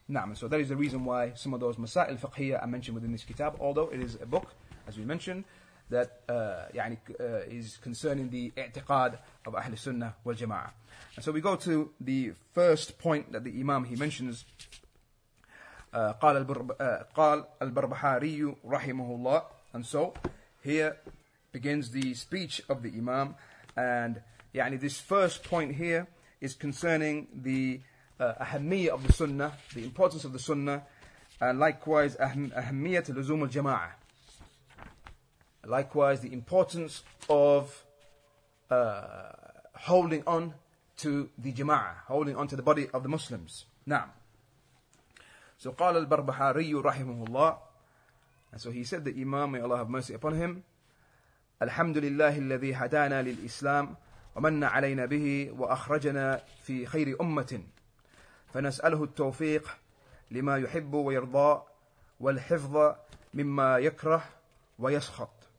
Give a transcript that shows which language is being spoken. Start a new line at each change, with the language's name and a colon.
English: Naam. So that is the reason why some of those masail fiqhiyah are mentioned within this kitab, although it is a book, as we mentioned, that is concerning the i'tiqad of Ahl Sunnah wal Jama'ah. And so we go to the first point that the Imam he mentions.
Arabic: قال البربحاري رحمه الله.
English: And so here begins the speech of the Imam, and يعني, this first point here is concerning the ahammiyyah of the sunnah, the importance of the sunnah, and likewise ahammiyyah al-luzum al-jama'ah. likewise the importance of holding on to the jama'ah, holding on to the body of the Muslims. Now, so
Arabic: قال البربحاري رحمه الله,
English: and so he said the Imam, may Allah have mercy upon him,
Arabic: الحمد لله الذي هدانا للإسلام ومن علينا به وأخرجنا في خير أمة فنسأله التوفيق لما يحب ويرضى والحفظ مما يكره ويسخط.